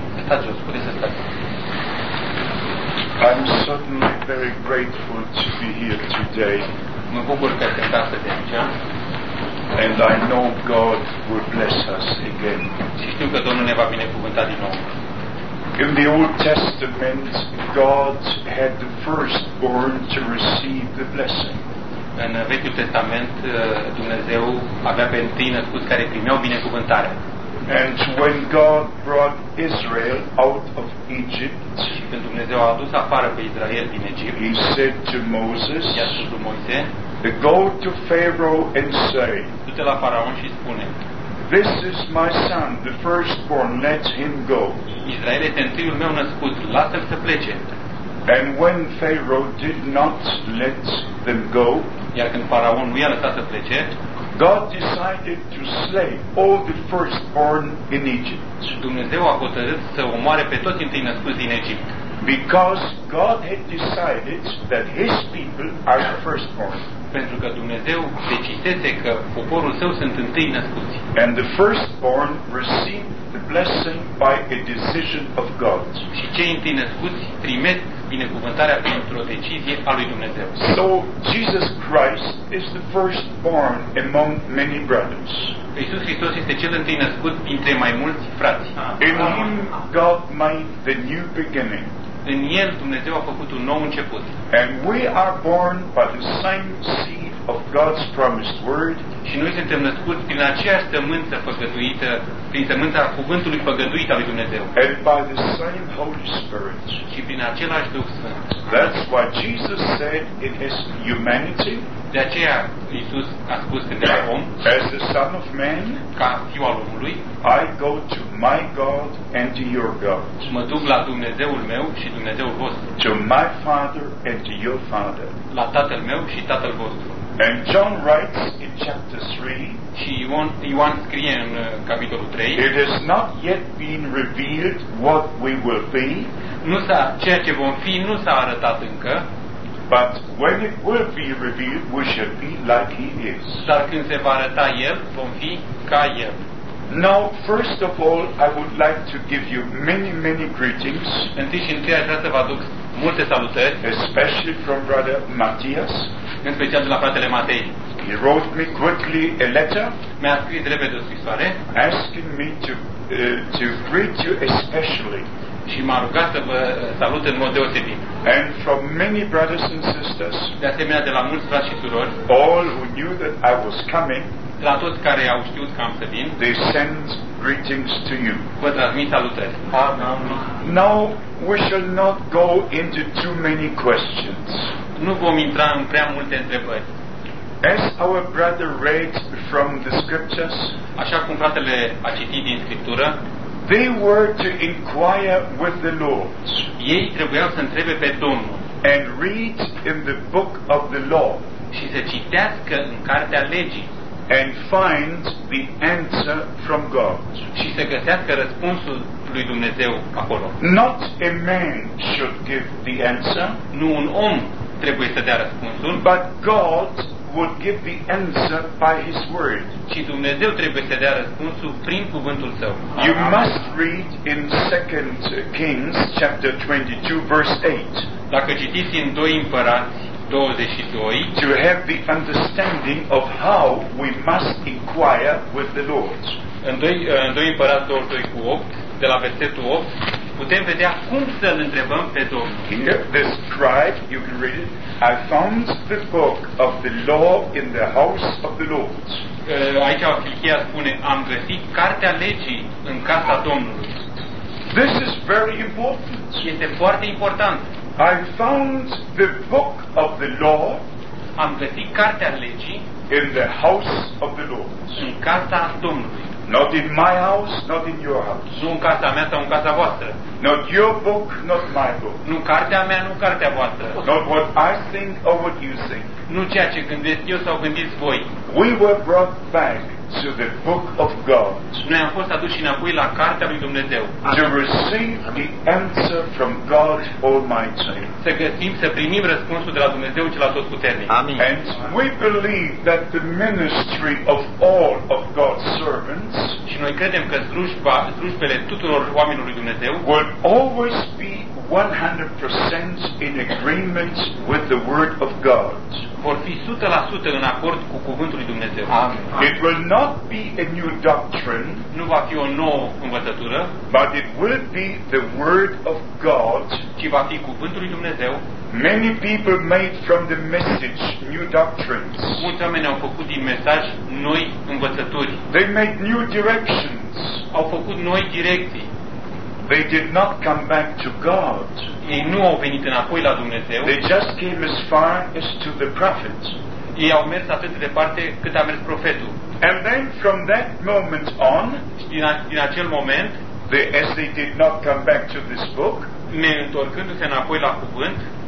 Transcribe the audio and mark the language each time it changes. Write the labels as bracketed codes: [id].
[en] I'm certainly very grateful to be here today. [ro] Mă bucur că te-am dat să te aici. [en] And I know God will bless us again. [ro] Și știu că Domnul ne va binecuvânta din nou. [en] In the Old Testament, God had the firstborn to receive the blessing. [ro] În Vechiul Testament, Dumnezeu avea pe întâi născuți care primeau binecuvântarea. [en] And when God brought Israel out of Egypt, [ro] când Dumnezeu a adus afară pe Israel din Egipt, [en] He said to Moses, [ro] i-a spus lui Moise, [en] go to Pharaoh and say, [ro] du-te la faraon și spune, [en] this is my son, the firstborn, let him go. [ro] Israel este întâiul meu născut, lasă-l să plece. [en] And when Pharaoh did not let them go, [ro] iar când faraon nu i-a lăsat să plece, [en] God decided to slay all the firstborn in Egypt. [ro] Dumnezeu a hotărât să omoare pe toți întâi născuți din Egipt. [en] Because God had decided that His people are the firstborn. [ro] Pentru că Dumnezeu decisese că poporul Său sunt întâi născuți. [en] And the firstborn received the blessing by a decision of God. [ro] Și cei întâi născuți primesc binecuvântarea pentru o decizie a lui Dumnezeu. [en] So Jesus Christ is the firstborn among many brothers. [ro] Iisus Hristos este cel întâi născut dintre mai mulți frați. [en] In Him God made the new beginning. [ro] În El Dumnezeu a făcut un nou început. [en] And we are born by the same seed of God's promised word. [ro] Și noi suntem născuți prin aceeași sămânță făgăduită, prin sămânța cuvântului făgăduit al lui Dumnezeu. [en] And by the same Holy Spirit. [ro] Și prin același Duh Sfânt. [en] That's why Jesus said in His humanity. [ro] De aceea Iisus a spus când era om. [en] As the Son of Man. [ro] Ca Fiul al Omului. [en] I go to my God and to your God. [ro] Mă duc la Dumnezeul meu și Dumnezeul vostru. [en] To my Father and to your Father. [ro] La Tatăl meu și Tatăl vostru. [en] And John writes in chapter 3. [ro] Și Ioan scrie în capitolul 3. [en] It has not yet been revealed what we will be. [ro] Ceea ce vom fi nu s-a arătat încă. [en] But when it will be revealed, we shall be like He is. [ro] Dar când se va arăta El, vom fi ca El. [en] Now, first of all, I would like to give you many, many greetings. [ro] Întâi și întâi aș vrea să vă aduc multe salutări. [en] Especially from Brother Matthias. [ro] În special de la fratele Matei. [en] He wrote me quickly a letter. [ro] Mi-a scris repede o scrisoare. [en] Asking me to greet you especially. [ro] Și m-a rugat să vă salut în mod deosebit. [en] And from many brothers and sisters. [ro] De asemenea, de la mulți frați și surori. [en] All who knew that I was coming. [ro] La toți care au știut că am să vin. [en] They send greetings to you. [ro] Vă transmit salutări. [en] Now we shall not go into too many questions. [ro] Nu vom intra în prea multe întrebări. [en] As our brother read from the scriptures. [ro] Așa cum fratele a citit din scriptură. [en] They were to inquire with the Lord. [ro] Ei trebuiau să întrebe pe Domnul. [en] And read in the book of the law. [ro] Și să citească în cartea legii. [en] And find the answer from God. [ro] Și să găsească răspunsul lui Dumnezeu acolo. [en] Not a man should give the answer. [ro] Nu un om trebuie să dea răspunsul. [en] But God would give the answer by His word. [ro] Și Dumnezeu trebuie să dea răspunsul prin cuvântul Său. [en] You must read in 2 Kings chapter 22 verse 8. [ro] Dacă citiți în 2 Împărați 22, [en] to have the understanding of how we must inquire with the Lord. [ro] În 2 Împărați 22 cu 8, de la versetul 8, putem vedea cum să-L întrebăm pe Domnul. [en] Here, the scribe, you can read it, I found the book of the law in the house of the Lord. [ro] Aici Filchia spune, am găsit cartea legii în casa Domnului. [en] This is very important. [ro] Este foarte important. [en] I found the book of the law. [ro] Am găsit cartea legii [en] in the house of the Lord. [ro] În casa Domnului. [en] Not in my house, not in your house. [ro] Nu în casa mea sau în casa voastră. [en] Not your book, not my book. [ro] Nu cartea mea, nu cartea voastră. [en] Not what I think or what you think. [ro] Nu ceea ce gândesc eu sau gândiți voi. [en] We were brought back to the book of God. [ro] Noi am fost aduși înapoi la cartea lui Dumnezeu. [en] To receive the answer from God Almighty. [ro] Să găsim, să primim răspunsul de la Dumnezeu cel Atotputernic. Amin. [en] And we believe that the ministry of all of God's servants. [ro] Și noi credem că slujbele tuturor oamenilor lui Dumnezeu [en] will always be 100% in agreement with the word of God. [ro] Vor fi 100% în acord cu cuvântul lui Dumnezeu. [en] It will not be a new doctrine. [ro] Nu va fi o nouă învățătură. [en] But it will be the word of God. [ro] Ci va fi cuvântul lui Dumnezeu. [en] Many people made from the message new doctrines. [ro] Mulți oameni au făcut din mesaj noi învățături. [en] They made new directions. [ro] Au făcut noi direcții. [en] They did not come back to God. [ro] Ei nu au venit înapoi la Dumnezeu. [en] They just came as far as to the prophets. [ro] Ei au mers atât de departe cât a mers profetul. [en] And then from that moment on, [ro] din acel moment, [en] as they did not come back to this book, [ro] neîntorcându-se înapoi la cuvânt,